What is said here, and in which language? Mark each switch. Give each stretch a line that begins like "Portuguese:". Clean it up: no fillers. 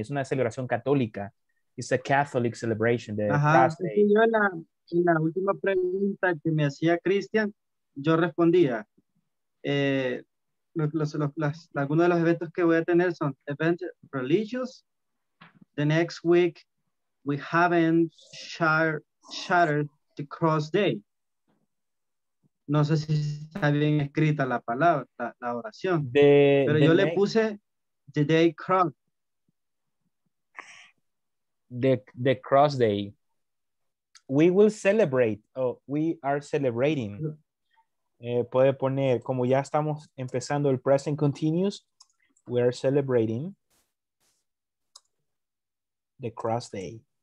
Spanish: Es una celebración católica.
English: It's a Catholic celebration. The Cross Day.
Spanish: Yo en la última pregunta que me hacía Cristian, yo respondía. Algunos de los eventos que voy a tener son
English: events religious. The next week, we haven't shattered the cross day.
Spanish: No sé si está bien escrita la palabra, la oración. Le puse
English: the day cross. The cross day. We will celebrate. We are celebrating.
Spanish: Puede poner, como ya estamos empezando el
English: present continuous, we are celebrating the cross day.